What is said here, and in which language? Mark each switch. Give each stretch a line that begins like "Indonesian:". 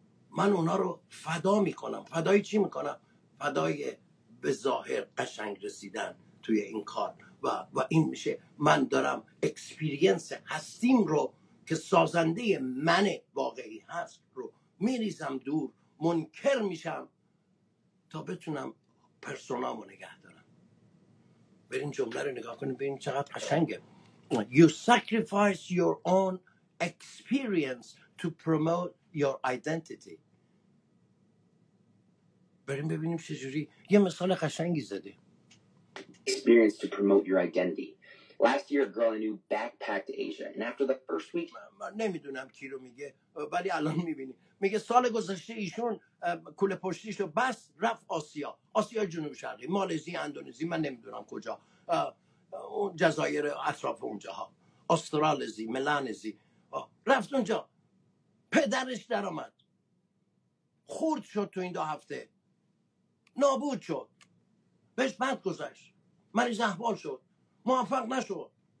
Persian: من اونا رو فدا میکنم. فدای چی میکنم؟ فدای به ظاهر قشنگ رسیدن توی این کار و این میشه من دارم اکسپیرینس هستیم رو که سازنده من واقعی هست رو میریزم دور، منکر میشم تا بتونم پرسونامو نگه دارم. بریم جمله رو نگاه کنیم ببینیم چقدر قشنگه.
English: You sacrifice your own experience to promote your identity.
Persian: بریم ببینیم چجوری یه مثال قشنگی زده.
English: Experience to promote your identity. Last year a girl I knew backpacked to Asia and after the first week
Persian: من نمیدونم کی رو میگه ولی الان میبینی میگه سال گذشته ایشون کوله پشتیش رو بس رفت آسیا، آسیا جنوب شرقی، مالزی، اندونزی، من نمیدونم کجا، اون جزایر اطراف اونجاها، استرالزی، ملانزی، رفت اونجا، پدرش در اومد خورد شد تو این دو هفته، نابود شد، بهش بد گذشت، مریض احوال شد، موفق نشد.